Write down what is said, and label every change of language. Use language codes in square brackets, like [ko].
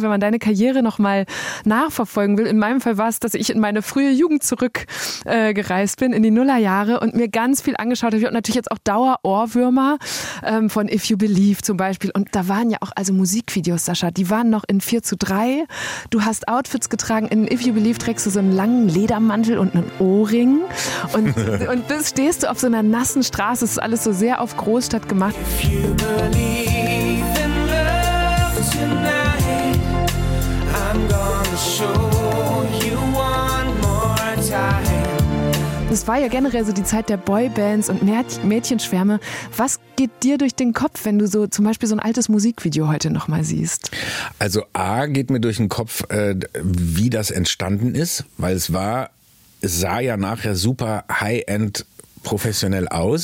[de] Wenn man deine Karriere nochmal nachverfolgen will, in meinem Fall war es, dass ich in meine frühe Jugend zurückgereist bin, in die Nullerjahre und mir ganz viel angeschaut habe. Ich habe natürlich jetzt auch Dauer-Ohrwürmer von If You Believe zum Beispiel. Und da waren ja auch also Musikvideos, Sascha, die waren noch in 4:3. Du hast Outfits getragen. In If You Believe trägst du so einen langen Ledermantel und einen Ohrring. Und bis stehst du auf so einer nassen Straße. Das ist alles so sehr auf Großstadt gemacht. [en] If you believe in love tonight, I'm gonna show you one more time. [de] Das war ja generell so die Zeit der Boybands und Mädchenschwärme. Was geht dir durch den Kopf, wenn du so zum Beispiel so ein altes Musikvideo heute nochmal siehst? Also A geht mir durch den Kopf, wie das entstanden ist, weil es sah ja nachher super high-end professionell aus.